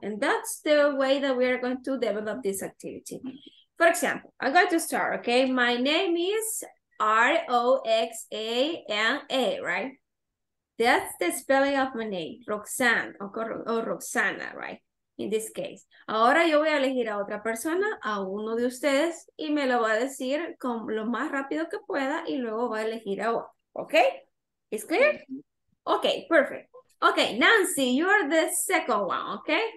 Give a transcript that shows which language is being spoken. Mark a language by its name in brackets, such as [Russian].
[English] And that's the way that we are going to develop this activity. For example, I'm going to start, okay? My name is R-O-X-A-N-A, right? That's the spelling of my name, Roxanne, or Roxana, right? In this case. [Spanish] Ahora yo voy a elegir a otra persona, a uno de ustedes, y me lo va a decir con lo más rápido que pueda, y luego va a elegir a otro. [English] Okay? Is clear? Okay, perfect. Okay, Nancy, you are the second one, okay?